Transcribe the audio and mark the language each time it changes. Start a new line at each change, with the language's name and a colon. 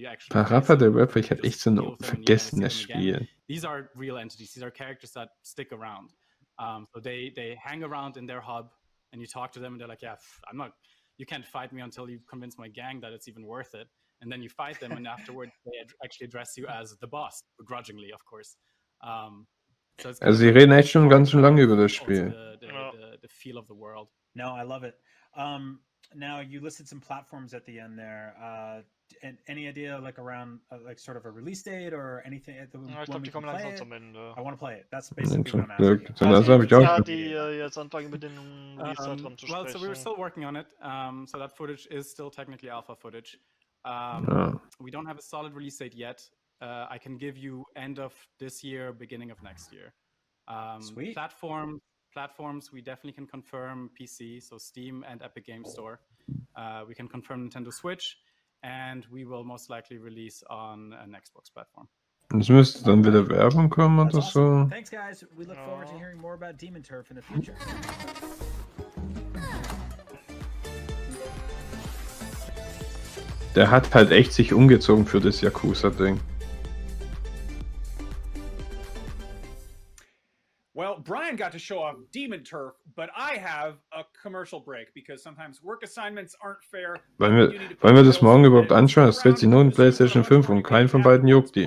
German: Parappa der Rapper, ich hatte echt so ein vergessenes Spiel.
English: These are real entities, these are characters that stick around. So they hang around in their hub and you talk to them and they're like, yeah, I'm not. You can't fight me until you convince my gang that it's even worth it. And then you fight them, and afterward they actually address you as the boss, begrudgingly, of course.
German: Also, sie reden echt schon ganz schön lange über das Spiel.
English: The feel of the world. No, I love it. Now, you listed some platforms at the end there. Any idea, like, around, like, sort of a release date or anything?
German: Ja, ich glaube, die kommen langsam zum Ende.
English: I want to play it. That's basically what I'm asking.
German: Ja, die jetzt anfangen mit den Release-Datum zu sprechen.
English: Well, so we're still working on it. So that footage is still technically alpha footage. We don't have a solid release date yet. I can give you end of this year, beginning of next year. Sweet. Platforms, we definitely can confirm PC, so Steam and Epic Games Store. We can confirm Nintendo Switch. And we will most likely release on an Xbox platform.
German: Es müsste dann wieder Werbung kommen oder
English: awesome. So. Thanks guys, we look forward to hearing more about Demon Turf in the future.
German: Der hat halt echt sich umgezogen für das Yakuza-Ding.
English: Well, Brian got to show off Demon Turf, but I have a commercial break because sometimes work assignments aren't fair.
German: Wollen wir das morgen überhaupt anschauen? Es dreht sich nur in PlayStation 5 und kein von beiden juckt die.